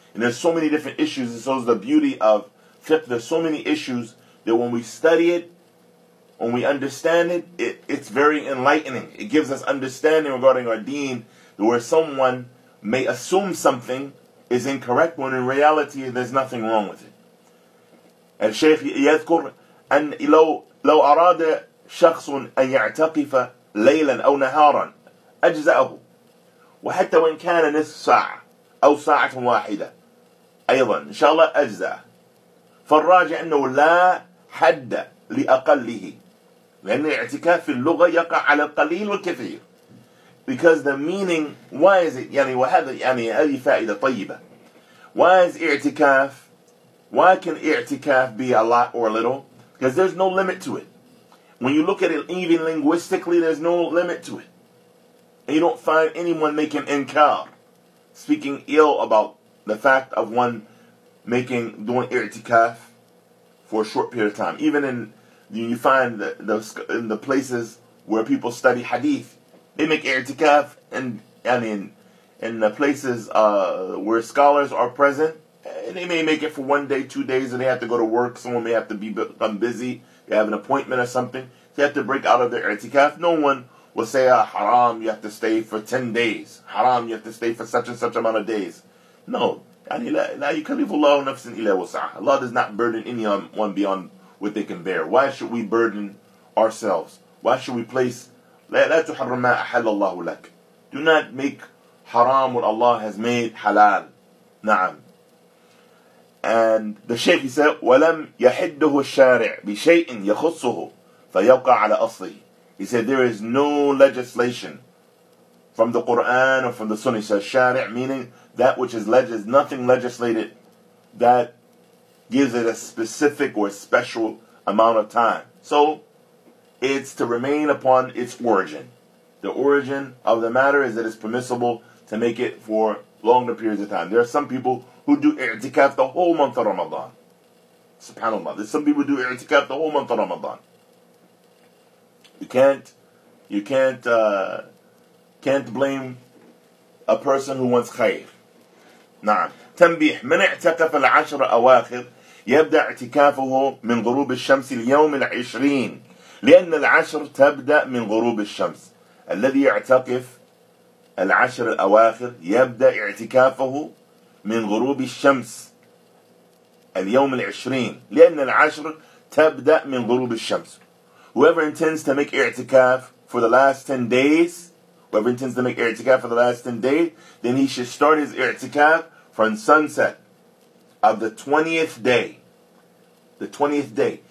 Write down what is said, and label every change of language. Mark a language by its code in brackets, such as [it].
[en] And there's so many different issues. And so is the beauty of fiqh. There's so many issues that when we study it, when we understand it, it's very enlightening. It gives us understanding regarding our deen, where someone may assume something is incorrect when in reality there's nothing wrong with it. And Sheikh [ar] يذكر أن لو أراد شخص أن يعتكف ليلا أو نهارا أجزأه وحتى وإن كان نصف ساعة أو ساعة واحدة أيضا إن شاء الله أجزأ. فالراجع أنه لا حد لأقله, لأن الاعتكاف في اللغة يقع على القليل والكثير. [en] Because the meaning, why is it, [ar] يعني وهذا يعني هذه فائدة طيبة. [en] Why is اعتكاف, why can اعتكاف be a lot or a little? Because there's no limit to it. When you look at it even linguistically, there's no limit to it. And you don't find anyone making inkar, speaking ill about the fact of one making, doing i'tikaf for a short period of time. Even in, you find in the places where people study hadith, they make i'tikaf, and in the places where scholars are present, they may make it for 1 day, 2 days, and they have to go to work, someone may have to become busy, they have an appointment or something. They have to break out of their i'tikaf. No one will say, haram, you have to stay for 10 days. Haram, you have to stay for such and such amount of days. No. [ar] لَا يُكَلِّفُ اللَّهُ نَفْسٍ إِلَّا وُسْعَهَا. [en] Allah does not burden anyone beyond what they can bear. Why should we burden ourselves? Why should we place, [ar] لَا تُحَرَّمْ مَا أَحَلَّ اللَّهُ لَكَ. [en] Do not make haram what Allah has made halal. [ar] نعم. [en] And the Shaykh, he said, [ar] وَلَمْ يَحِدُّهُ الشَّارِعْ بِشَيْءٍ يَخُصُّهُ فَيَوْقَعَ عَلَى أَصْلِهِ. [en] He said, there is no legislation from the Qur'an or from the Sunnah. He says, شَارِعْ, meaning that which is legislated, nothing legislated that gives it a specific or special amount of time. So, it's to remain upon its origin. The origin of the matter is that it's permissible to make it for longer periods of time. There are some people who do i'tikaf the whole month of Ramadan. SubhanAllah. There's some people who do i'tikaf the whole month of Ramadan. You can't blame a person who wants khayr. [ar] نعم. تنبيح. من اعتكف العشر أواخر يبدأ اعتكافه من غروب الشمس اليوم العشرين. لأن العشر تبدأ من غروب الشمس. الذي يعتكف العشر الأواخر يبدأ اعتكافه من غروب الشمس اليوم العشرين. لأن العشر تبدأ من غروب الشمس. [en] Whoever intends to make i'tikaf for the last 10 days, whoever intends to make i'tikaf for the last 10 days, then he should start his i'tikaf from sunset of the 20th day. The 20th day.